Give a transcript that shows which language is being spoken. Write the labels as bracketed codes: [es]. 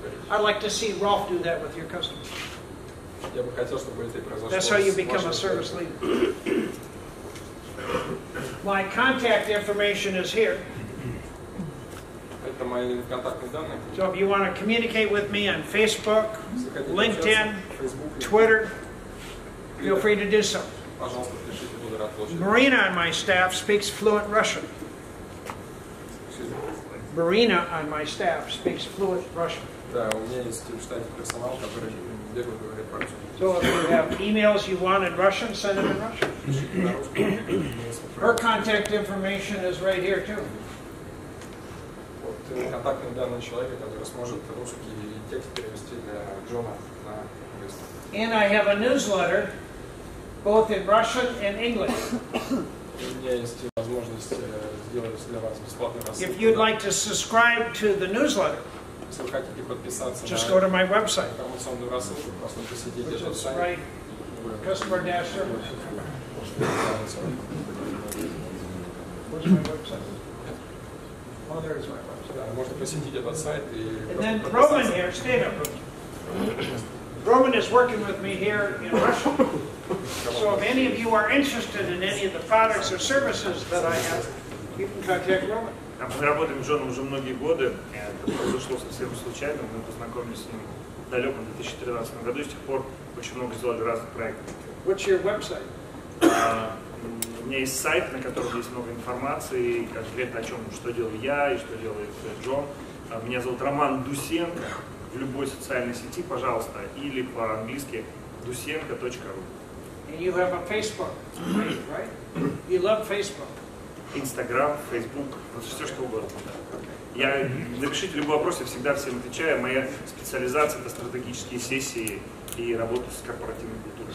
[en] I'd like to see Rolf do that with your customers. [ru] Я бы хотел, чтобы это произошло. [en] That's how you become a service leader. My contact information is here. [ru] Это мои контактные данные. [en] So if you want to communicate with me on Facebook, LinkedIn, Twitter, feel free to do so. [ru] Пожалуйста, пишите, буду рад получить. [en] Marina on my staff speaks fluent Russian. Marina on my staff speaks fluent Russian. [ru] Да, у меня есть в штате персонал, который бегло говорит по-русски. [en] So if you have emails you want in Russian, send them in Russian. Her contact information is right here too. [ru] Вот контактные данные человека, который сможет русский текст перевести для Джона на английский. [en] And I have a newsletter, both in Russian and English. [ru] У меня есть возможность сделать для вас бесплатный рассылку. [en] If you'd like to subscribe to the newsletter, [ru] если вы хотите подписаться, [en] just go to my website. [ru] Там вот самую рассылку, просто посетите этот сайт. [en] Customer dash service. [ru] Можете посетить этот сайт и. [en] And then Roman here, stay up. Roman is working with me here in Russia. So if any of you are interested in any of the products or services that I have, you can contact Roman. [ru] Мы работаем с Джоном уже многие годы, это произошло совсем случайно, мы познакомились с ним в далеком 2013 году, и с тех пор очень много сделали разных проектов. [en] What's your website? [ru] У меня есть сайт, на котором есть много информации, конкретно о чем, что делаю я и что делает Джон. Меня зовут Роман Дусенко, в любой социальной сети, пожалуйста, или по-английски dusenko.ru. [en] And you have a Facebook, right? You love Facebook. [ru] Инстаграм, Фейсбук, все что угодно. Я напишите любой вопрос, я всегда всем отвечаю. Моя специализация это стратегические сессии и работа с корпоративной культурой.